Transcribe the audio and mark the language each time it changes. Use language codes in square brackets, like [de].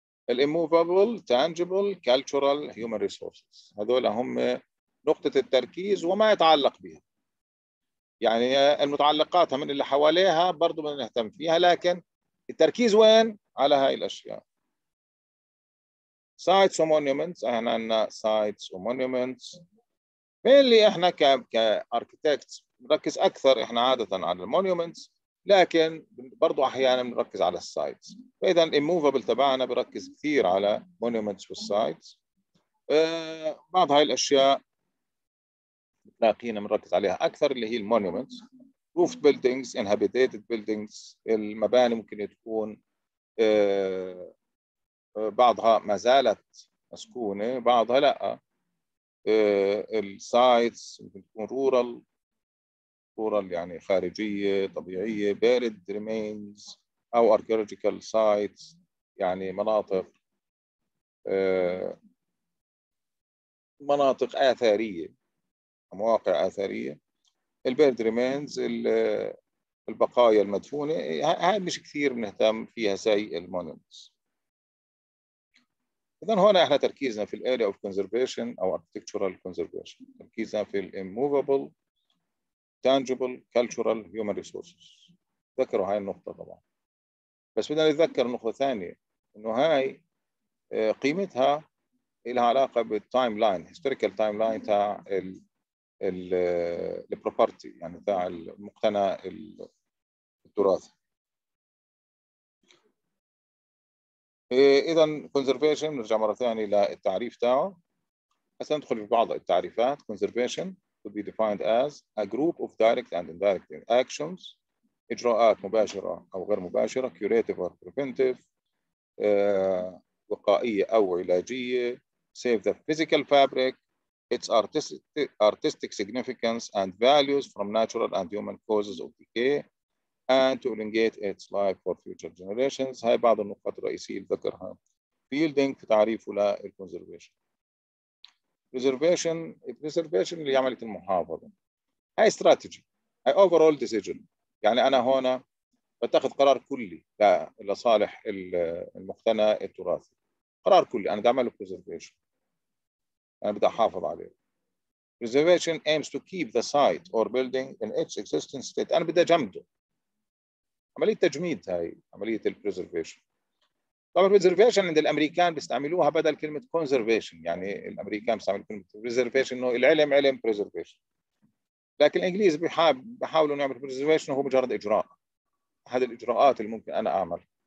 [ar] الاموفابل تانجبل كالتشرال هيومن ريسورسز، هذول هم نقطه التركيز وما يتعلق بها. يعني المتعلقات من اللي حواليها برضه بدنا نهتم فيها، لكن التركيز وين؟ على هاي الاشياء. [en] sites or monuments. [ar] احنا عندنا [en] sites or monuments. [ar] اللي احنا كاركتكت نركز اكثر احنا عاده على المونومنتس، لكن برضو احيانا بنركز على السايتس. فاذا الموفابل تبعنا بركز كثير على مونومنتس والسايتس. بعض هاي الاشياء تلاقينا بنركز عليها اكثر اللي هي المونومنتس، روف بيلدينجز، انهابيتيتد بيلدينجز، المباني ممكن تكون بعضها ما زالت مسكونه بعضها لا، السايتس ممكن تكون رورال، رورال يعني خارجية طبيعية، buried remains أو archaeological sites يعني مناطق مناطق آثارية، مواقع آثارية، [en] buried remains [ar] البقايا المدفونة، هاي مش كثير بنهتم فيها زي المونومنتس. إذن هنا إحنا تركيزنا في [en] the area of conservation أو architectural conservation، [ar] تركيزنا في [en] the immovable, tangible, cultural, human resources. [ar] ذكروا هاي النقطة طبعاً. بس بدنا نتذكر نقطة ثانية، إنه هاي قيمتها لها علاقة بال [en] time line, historical time line [ar] تاع ال property يعني تاع المقتنى التراثي. إذن conservation نرجع مرة ثانية للتعريف تاعه. هسا ندخل في بعض التعريفات. [en] conservation could be defined as a group of direct and indirect actions، [ar] إجراءات مباشرة أو غير مباشرة، [en] curative or preventive، [ar] وقائية أو علاجية، [en] save the physical fabric، its artistic significance and values from natural and human causes of decay and to elongate its life for future generations. [ar] هاي بعض النقاط الرئيسية اللي ذكرها فيلدينغ في تعريفه للconservation. preservation اللي عملية المحافظة، هاي strategy، هاي [en] overall decision، [ar] يعني أنا هنا بتاخذ قرار كلي لصالح المقتنى التراثي، قرار كلي أنا بدي أعمل preservation، أنا بدي أحافظ عليه. [en] preservation aims to keep the site or building in its existing state، [ar] أنا بدي أجمده، عملية تجميد هاي عملية البريزرفيشن. طبعا البريزرفيشن عند الأمريكان بيستعملوها بدل كلمة conservation، يعني الأمريكان بيستعملوا كلمة preservation إنه العلم علم preservation، لكن الإنجليز بحاولوا إنه يعمل preservation هو مجرد إجراء، أحد الإجراءات اللي ممكن أنا أعمل.